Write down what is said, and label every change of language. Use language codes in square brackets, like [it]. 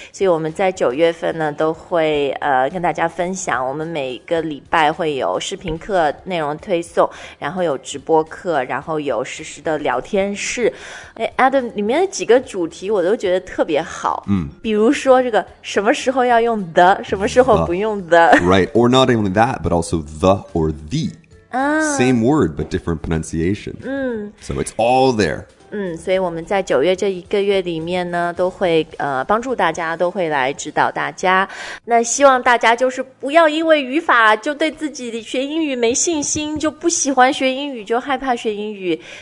[zh] 所以我们在九月份呢，都会跟大家分享，我们每个礼拜会有视频课内容推送，然后有直播课，然后有实时的聊天室。哎 ，Adam， 里面的几个主题我都觉得特别好，比如说这个什么时候要用的，什么时候不用的。 [en] Right, or not only that, but also the or the. Same word, but different pronunciation. So it's all there. [zh] 所以我们在九月这一个月里面呢，都会帮助大家，都会来指导大家。那希望大家就是不要因为语法就对自己学英语没信心，就不喜欢学英语，就害怕学英语。